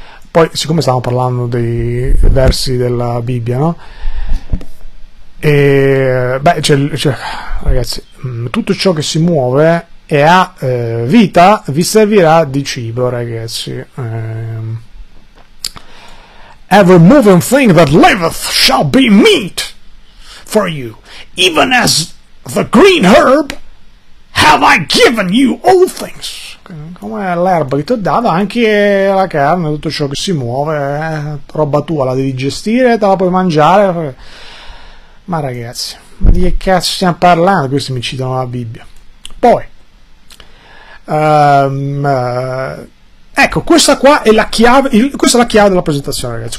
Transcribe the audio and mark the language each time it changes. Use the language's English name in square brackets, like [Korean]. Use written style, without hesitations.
[Italian] Poi, siccome stavamo parlando dei versi della Bibbia, no? E beh, ragazzi, tutto ciò che si muove e ha vita vi servirà di cibo, ragazzi. [English] Every moving thing that liveth shall be meat for you, even as the green herb have I given you all things. [Italian] Come l'erba che ti ho dato, anche la carne, tutto ciò che si muove, roba tua, la devi gestire, te la puoi mangiare. Ma ragazzi, ma di che cazzo stiamo parlando? Questi mi citano la Bibbia. Poi, ecco, questa qua è la chiave, questa è la chiave della presentazione, ragazzi.